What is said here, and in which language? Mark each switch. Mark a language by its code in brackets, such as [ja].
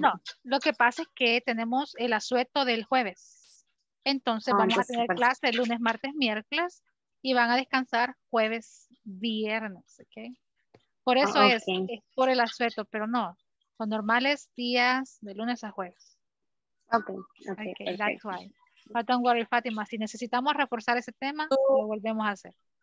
[es] No, lo que pasa es que tenemos el asueto del jueves. Entonces vamos a tener clases el lunes, martes, miércoles y van a descansar jueves, viernes. ¿Okay? Por eso es por el asueto, pero no, son normales días de lunes a jueves. [en] Okay, okay, okay, that's why. But don't worry, Fátima. [es] Si necesitamos reforzar ese tema, lo volvemos a hacer.